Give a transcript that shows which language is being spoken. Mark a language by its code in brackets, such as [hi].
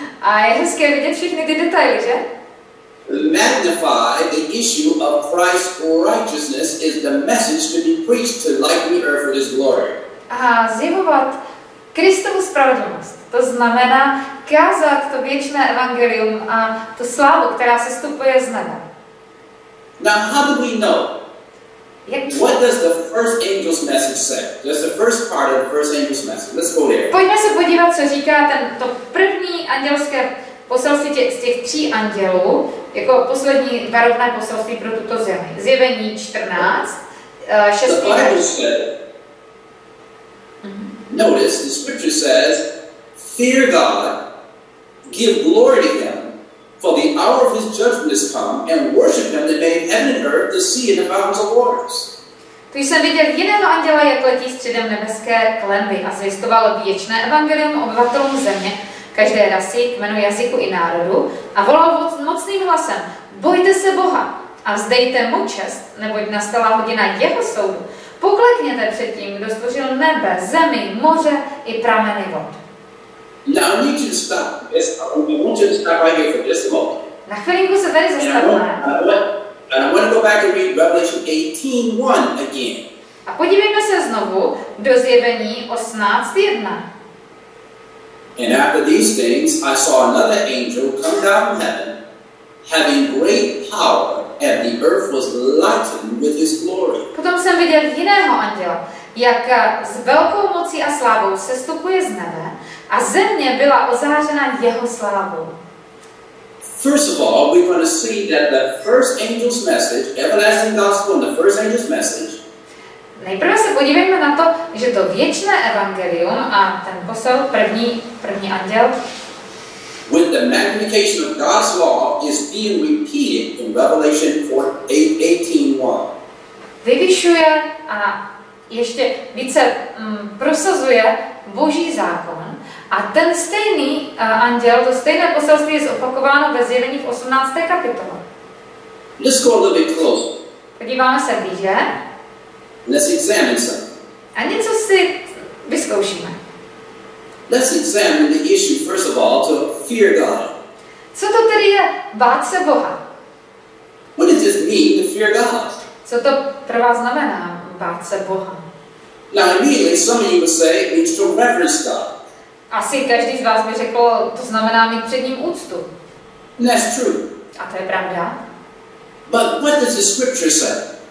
[cs] A je hezké vidět všechny ty detaily, že? [en] Magnify the issue of Christ's righteousness is the message to be preached to light the earth with his glory. [cs] A zjevovat Kristovu spravedlnost, to znamená kázat to věčné evangelium a tu slávu, která se stupuje z nebe. [en] Now how do we know? What does the first angel's message say? That's the first part of the first angel's message. Let's go there. [cs] Pojďme se podívat, co říká ten to první andělské poselství z těch tří andělů, jako poslední varovné poselství pro tuto zemi. Zjevení 14, 6. [en] Notice, the scripture says, fear God, give glory to him, for the hour of his judgment is come, and worship him that made heaven and earth, the sea and the mountains of waters. [cs] Tu jsem viděl jiného anděla, jak letí středem nebeské klenby a zvěstoval věčné evangelium obyvatelům země, každé rasy, kmenu, jazyku i národu, a volal mocným hlasem, bojte se Boha a vzdejte mu čest, neboť nastala hodina jeho soudu. Poklekněte před tím, kdo stvořil nebe, zemi, moře i prameny vod. [en] Now need to stop. Yes, I want you to stop right here for just a moment. [cs] Na chvilinku se tady zastavíme. [en] And I want to go back and read Revelation 18:1 again. [cs] A podívejme se znovu do zjevení 18:1. [en] And after these things, I saw another angel come down from heaven, having great power, and the earth was lightened with his glory. [cs] Potom jsem viděl jiného anděla, jak s velkou mocí a slávou sestupuje z nebe, a země byla ozářena jeho slávou. [en] First of all, we're going to see that the first angel's message, everlasting gospel, and the first angel's message. [cs] Nejprve se podívejme na to, že to věčné evangelium a ten posel, první anděl. [en] When the magnification of God's law is being repeated in Revelation 18:1. [cs] Vyvyšuje a ještě více prosazuje Boží zákon a ten stejný anděl, to stejné poselství je zopakováno ve zjevení v 18. kapitole. [en] Let's go a little bit closer. [cs] Podíváme se blíže. [en] Let's examine some. [cs] A něco si vyzkoušíme. [en] Let's examine the issue first of all to fear God. [cs] Co to tedy je bát se Boha? [en] What does this mean to fear God? [cs] Co to pro vás znamená bát se Boha? [en] Now immediately some of you would say it means to reverence God. [cs] Asi každý z vás by řekl, to znamená mít před ním úctu. [en] That's true. [cs] A to je pravda. [en] But what does the scripture say?